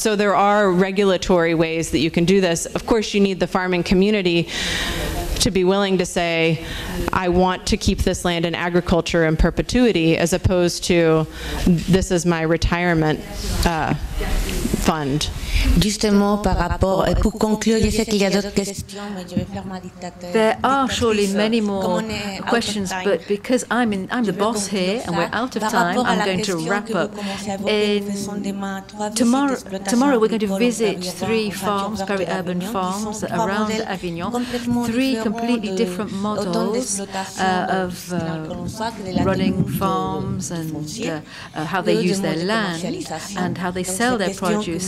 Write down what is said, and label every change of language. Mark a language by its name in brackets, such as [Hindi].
[English] So there are regulatory ways that you can do this. Of course, you need the farming community to be willing to say, I want to keep this land in agriculture in perpetuity, as opposed to, this is my retirement fund. [French] Justement, par rapport, pour conclure, je sais qu'il y a d'autres questions, mais je vais faire ma dictature. [English] There are surely many more questions, but because I'm the boss here and we're out of time, I'm going to wrap up. Tomorrow we're going to visit three farms, peri-urban farms around Avignon, three completely different models of running farms and how they use their land and how they sell their produce.